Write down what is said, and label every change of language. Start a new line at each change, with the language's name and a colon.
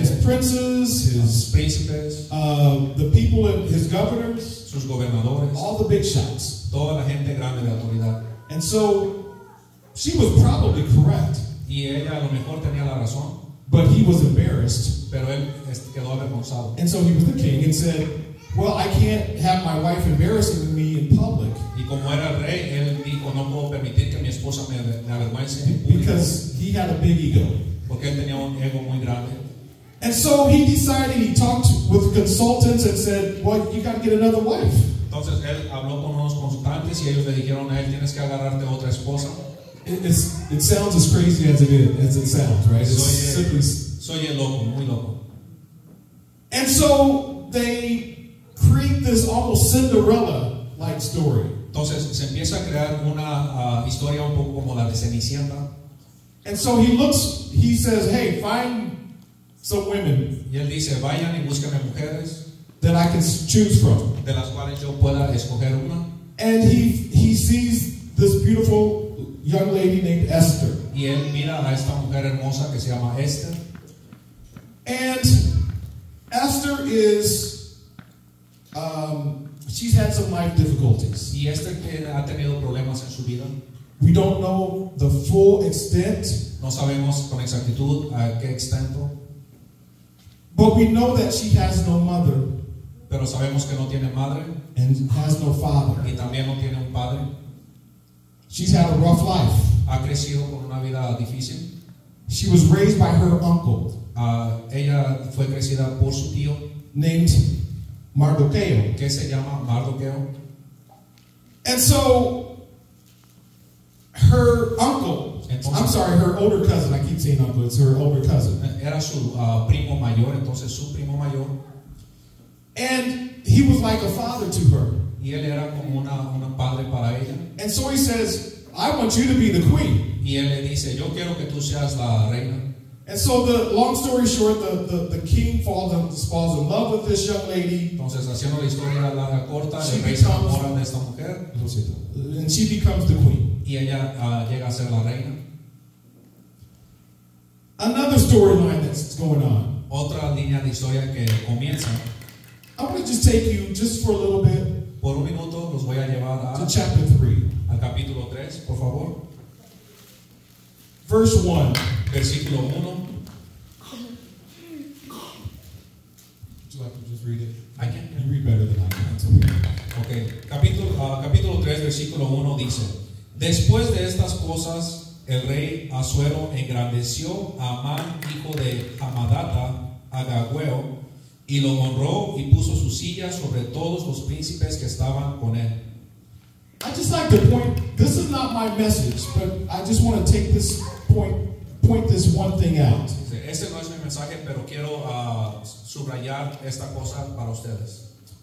English: él. His princes, his
Spanish: príncipes,
English: the people, his governors,
Spanish: sus gobernadores,
English: all the big shots,
Spanish: toda la gente grande de autoridad.
English: And so she was probably correct.
Spanish: Y ella a lo mejor tenía la razón.
English: But he was embarrassed.
Spanish: Pero él quedó avergonzado.
English: And so he was the king and said, well, I can't have my wife embarrassing me in public.
Spanish: Y como era rey, él dijo, no puedo permitir que mi esposa me avergüence.
English: Because he had a big ego.
Spanish: Porque él tenía un ego muy grande.
English: And so he decided, he talked with consultants and said, well, you got to get another wife.
Spanish: Entonces él habló con unos consultantes y ellos le dijeron a él, tienes que agarrarte otra esposa.
English: It sounds as crazy as it is, as it sounds, right? It's simply.
Spanish: Soy el loco, muy loco.
English: And so they create this almost Cinderella-like story.
Spanish: Entonces se empieza a crear una historia un poco como la de Cenicienta.
English: And so he looks, he says, "Hey, find some women."
Spanish: Y él dice, vayan y búsquenme mujeres.
English: That I can choose from.
Spanish: De las cuales yo pueda escoger una.
English: And he sees this beautiful young lady named Esther.
Spanish: Y él mira a esta mujer hermosa que se llama Esther.
English: And Esther is, she's had some life difficulties.
Spanish: Y Esther tiene, ha tenido problemas en su vida.
English: We don't know the full extent.
Spanish: No sabemos con exactitud a qué extento.
English: But we know that she has no mother.
Spanish: Pero sabemos que no tiene madre.
English: And has no father.
Spanish: Y también no tiene un padre.
English: She's had a rough life.
Spanish: Ha crecido con una vida difícil.
English: She was raised by her uncle.
Spanish: Ella fue crecida por su tío,
English: named Mardoqueo,
Spanish: que se llama Mardoqueo.
English: And so her uncle,
Spanish: entonces,
English: I'm sorry, her older cousin, I keep saying uncle, it's her older cousin.
Spanish: Era su primo mayor, entonces su primo mayor.
English: And he was like a father to her.
Spanish: Y él era como una padre para ella.
English: And so he says, I want you to be the queen.
Spanish: Y él le dice, yo quiero que tú seas la reina.
English: And so the long story short, the king falls in love with this young lady.
Spanish: Entonces, haciendo la historia larga corta, el rey se enamora de esta mujer.
English: And she becomes the queen.
Spanish: Y ella llega a ser la reina.
English: Another storyline that's going on.
Spanish: Otra línea de historia que comienza.
English: I want to just take you just for a little bit.
Spanish: Por un minuto los voy a llevar a
English: chapter 3.
Spanish: Al capítulo 3, por favor.
English: Verse 1.
Spanish: Versículo 1.
English: Do I have to just read it? I can. You read better than I can. It's okay. Okay.
Spanish: Capítulo 3, versículo 1 dice: Después de estas cosas, el rey Asuero engrandeció a Amán, hijo de Hamadata, Agagueo, y lo honró y puso su silla sobre todos los príncipes que estaban con él.
English: I just like to point, this is not my message, but I just want to take this point this one thing out.
Spanish: Este no es mi mensaje, pero quiero subrayar esta cosa para ustedes.